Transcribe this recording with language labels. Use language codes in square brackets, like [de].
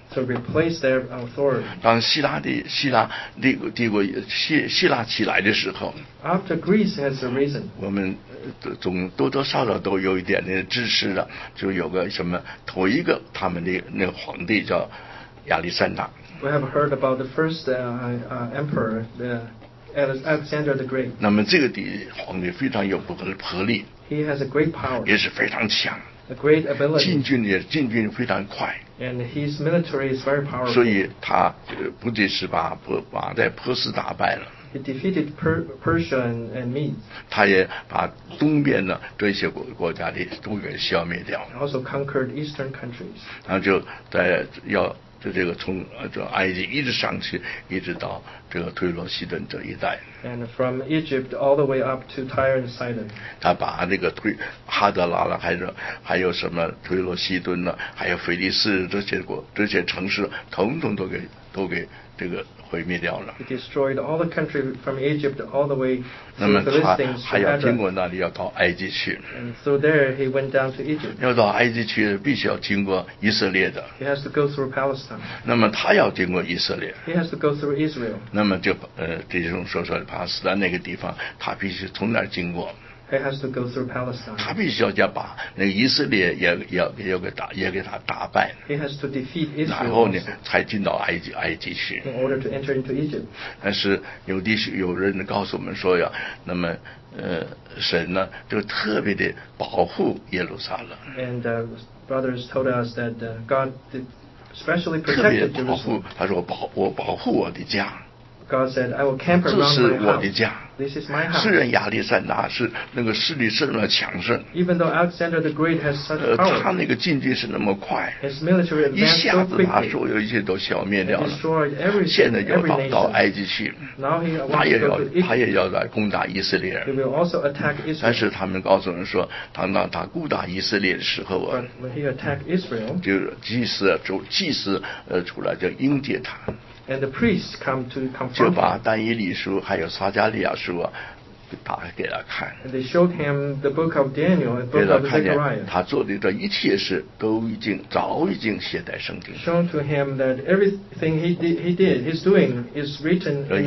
[en] To replace their authority. [zh] 当希腊起来的时候 [en] ，After Greece has arisen. [zh] 我们总多多少少都有一点的支持了，就有个什么头一个他们的那个皇帝叫亚历山大。 [en] We have heard about the first emperor, the Alexander the Great. [zh] 那么这个皇帝非常有魄力。 [en] He has a great power. [zh] 也是非常强。 [en] A great ability. [zh] 进军非常快。 [en] And his military is very powerful. [zh] 所以他不仅是把在波斯打败了。 [en] He defeated Persia and Medes. [zh] 他也把东边的这些国家的都给消灭掉。 [en] He also conquered eastern countries. [zh] 然后就在要。就这个从埃及一直上去，一直到这个推罗西顿这一带。 [en] And from Egypt all the way up to Tyre and Sidon. [zh] 他把那个哈德拉了，还有什么推罗西顿呢？还有腓力斯这些城市，统统都给这个毁灭掉了。 [en] He destroyed all the country from Egypt all the way to the Philistines. [zh] 那么他还要经过那里，要到埃及去。 [en] And so there he went down to Egypt. [zh] 要到埃及去，必须要经过以色列的。 [en] He has to go through Palestine. [zh] 那么他要经过以色列。 [en] He has to go through Israel. [zh] 那么就弟兄说巴勒斯坦那个地方，他必须从那儿经过。 [en] He has to go through Palestine. [zh] 他必须要把那个以色列也给他打败。 [en] He has to defeat Israel. [zh] 然后呢，才进到埃及去。 [en] In order to enter into Egypt. [zh] 但是有人告诉我们说呀，那么神呢就特别的保护耶路撒冷。 [en] And brothers told us that God specially protected Jerusalem. [zh] 特别保护，他说我保护我的家。 [en] God said, "I will camp around my house." [zh] 这是我的家。 [en] This is my house. [zh] 虽然亚历山大是那个势力这么强盛 [en] ，Even though Alexander the Great has such power, [zh] 他那个进军是那么快 [en] ，His military advanced so quickly, [zh] 一下子把所有一切都消灭掉了。 [en] Destroyed everything. [zh] 现在要到埃及去 [en] ，Now he wants to go to Egypt. [zh] 他也要来攻打以色列。 [en] He will also attack Israel. [zh] 但是他们告诉人说，当他攻打以色列的时候啊 [en] ，But when he attacked Israel, [zh] 就祭司出来就迎接他。 [en] And the priests come to confront him. [zh] 就把但以理书还有撒迦利亚书啊，打给他看。 [en] And they showed him the book of Daniel and book of Zechariah. [zh] 他做的这一切事都已经早已经写在圣经。 [en] Shown to him that everything he's doing is written.